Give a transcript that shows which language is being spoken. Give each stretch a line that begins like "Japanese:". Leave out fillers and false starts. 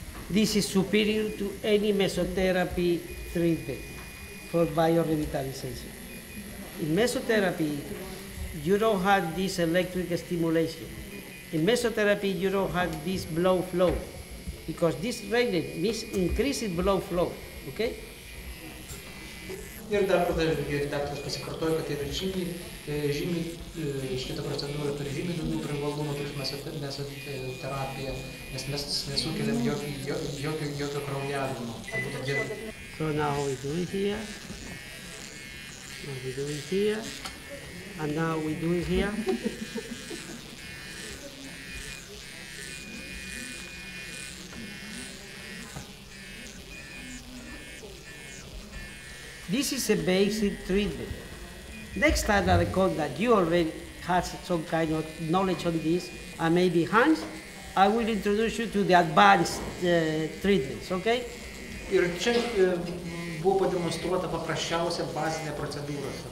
English: This is superior to any mesotherapy treatment for biorevitalization. In mesotherapy, you don't have this electric stimulation. In mesotherapy, you don't have this blood flow because this radiant increases blood flow. Okay.
Lithuanian: Ir dar kartą daktaras pasikartojo, kad yra žymiai šitą procedūrą turi žymiai daugiau privalumų prieš mesoterapiją, nes mes nesukeliam jokio kraujavimo.
English: So now we do it here. And we do it here. And now we do it here. This is a basic treatment. Next time I recall that you already have some kind of knowledge on this, and maybe Hans, I will introduce you to the advanced treatments, okay?
Lithuanian: Ir čia buvo pademonstruota paprasčiausia bazinė procedūra.